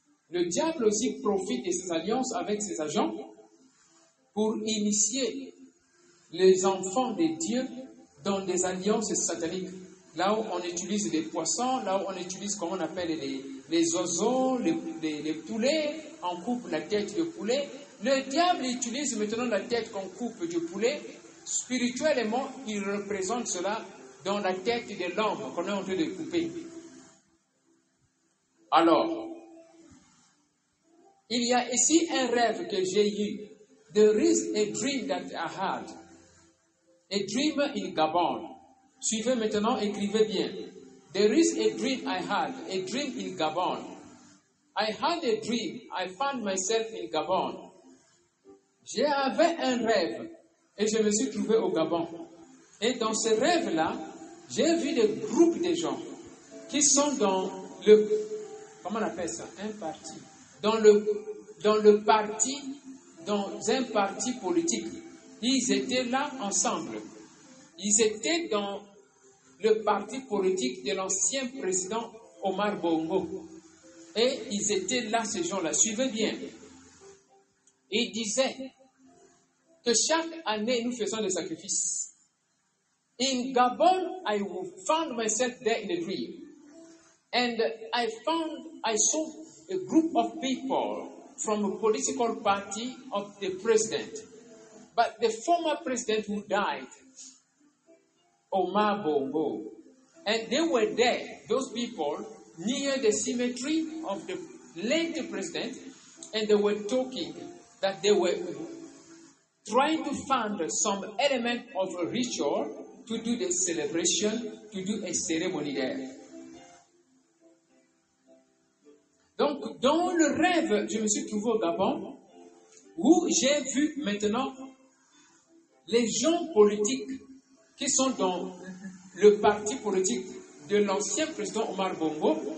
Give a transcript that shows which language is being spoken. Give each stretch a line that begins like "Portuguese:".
French: Le diable aussi profite de ses alliances avec ses agents pour initier les enfants de Dieu dans des alliances sataniques. Là où on utilise des poissons, là où on utilise comment on appelle les oiseaux, les poulets, on coupe la tête du poulet. Le diable utilise maintenant la tête qu'on coupe du poulet. Spirituellement, il représente cela dans la tête de l'homme qu'on est en train de couper. Alors, il y a ici un rêve que j'ai eu.
English: There is a dream that I had. A dream in Gabon.
French: Suivez maintenant, écrivez bien.
English: There is a dream I had, a dream in Gabon. I had a dream, I found myself in Gabon.
French: J'avais un rêve et je me suis trouvé au Gabon. Et dans ce rêve-là, j'ai vu des groupes de gens qui sont dans le, comment on appelle ça, un parti. Dans un parti politique. Ils étaient là ensemble. Ils étaient dans le parti politique de l'ancien président Omar Bongo. Et ils étaient là, ces gens-là. Suivez bien. Ils disaient, que chaque année nous faisons des sacrifices.
English: In Gabon, I found myself there in a dream. And I saw a group of people from a political party of the president. But the former president who died, Omar Bongo, and they were there, those people, near the cemetery of the late president, and they were talking that they were trying to fund some element of a ritual to do the celebration, to do a ceremony there.
French: Donc, dans le rêve, je me suis trouvé au Gabon, où j'ai vu maintenant les gens politiques qui sont dans le parti politique de l'ancien président Omar Bongo.